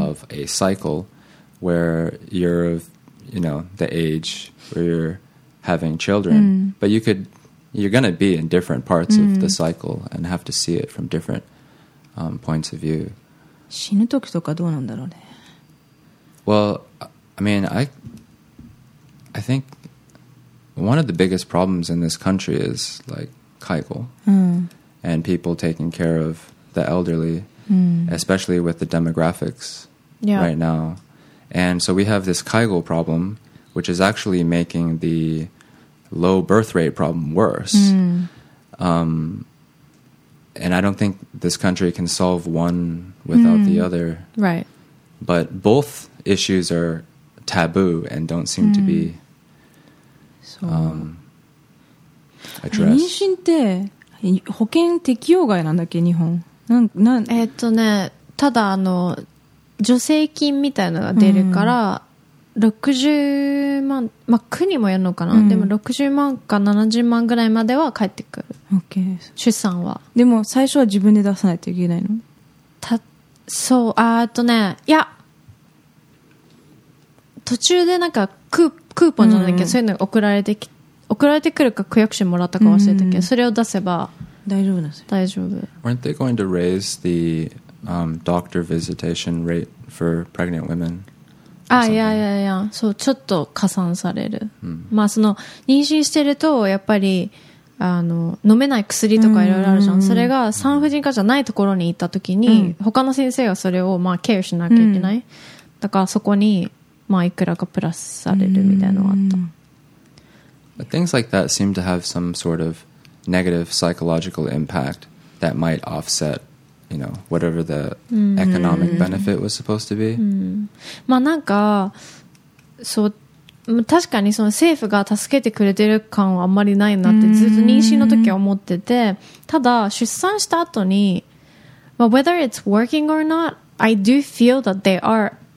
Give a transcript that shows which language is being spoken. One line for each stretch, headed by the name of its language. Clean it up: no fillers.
English: of a cycle where you're, you know, the age where you're having children.、 Mm-hmm. But you're going to be in different parts、mm-hmm. of the cycle and have to see it from different、points of view.
Japanese: 死ぬ時とかどうなんだろうね。
English: Well, I mean, I think one of the biggest problems in this country is like 介護、
Japanese: うん、
English: and people taking care of the elderly、
Japanese: うん、
English: especially with the demographics、 yeah. right now. And so we have this 介護 problem, which is actually making the low birth rate problem worse.、
Japanese: うん、
English: and I don't think this country can solve one without、うん、the other. Right. But both issues are taboo and don't seem、うん、to be...
Japanese: 妊娠って保険適用外なんだっけ日本ね、ただあの助成金みたいなのが出るから、うん、60万、まあ、区にもやるのかな、うん、でも60万か70万ぐらいまでは返ってくる、うん、出産はでも最初は自分で出さないといけないのそういや途中でなんかクーポンじゃないけど、うん、そういうのが送られてくるか区役所もらったか忘れたけど、うん、それを出せば大丈夫です大丈夫
English: Weren't they going to raise the、doctor visitation rate for pregnant women?
Japanese: あ、いやそうちょっと加算される、うん、まあその妊娠してるとやっぱりあの飲めない薬とかいろいろあるじゃん、うん、それが産婦人科じゃないところに行った時に、うん、他の先生がそれをまあケアしなきゃいけない、うん、だからそこにまあ、いくらかプラスされるみたいなのがあった。
English: But things like that seem to have some sort of negative psychological impact that might offset, you know, whatever the economic benefit was supposed to be.
Japanese: まあなんか、そう、確かにその政府が助けてくれてる感はあんまりないなってずっと妊娠の時は思ってて、ただ出産した後に、まあ、
English: whether it's working or not, I do feel that they are.